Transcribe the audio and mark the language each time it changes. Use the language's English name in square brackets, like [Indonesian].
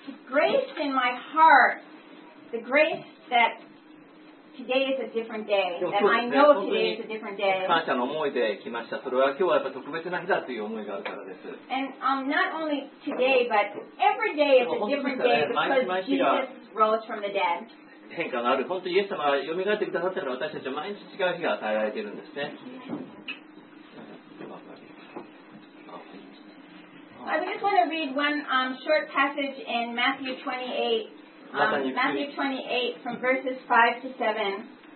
[English] Grace in my heart, the grace that today is a different day, that I know today is a different day. [Japanese] 感謝の思いで来ました。それは今日はやっぱ特別な日だという思いがあるからです。 [English] And not only today, but every day is a different day because Jesus rose from the dead. [Japanese] 変化がある。本当にイエス様が蘇ってくださったから私たちは毎日違う日が与えられているんですね。 [English] I just want to read one short passage in Matthew 28. Matthew 28 from verses 5 to 7.